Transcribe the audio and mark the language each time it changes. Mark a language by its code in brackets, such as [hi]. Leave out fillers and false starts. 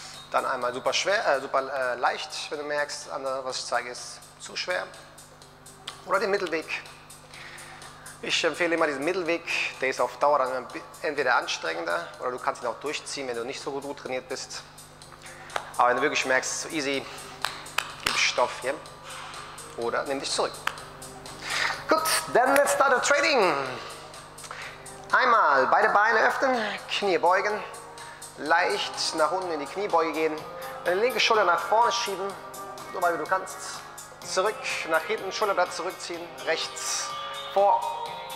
[de] Dann einmal super schwer, leicht, wenn du merkst, was ich zeige, ist zu schwer. Oder den Mittelweg. Ich empfehle immer diesen Mittelweg. Der ist auf Dauer dann entweder anstrengender oder du kannst ihn auch durchziehen, wenn du nicht so gut trainiert bist. Aber wenn du wirklich merkst, [en] so easy, [de] gib Stoff hier. Oder nimm dich zurück. [en] Gut, then let's start the training. [de] Einmal beide Beine öffnen, Knie beugen. Leicht nach unten in die Kniebeuge gehen, deine linke Schulter nach vorne schieben, so weit wie du kannst, zurück, nach hinten, Schulterblatt zurückziehen, rechts, vor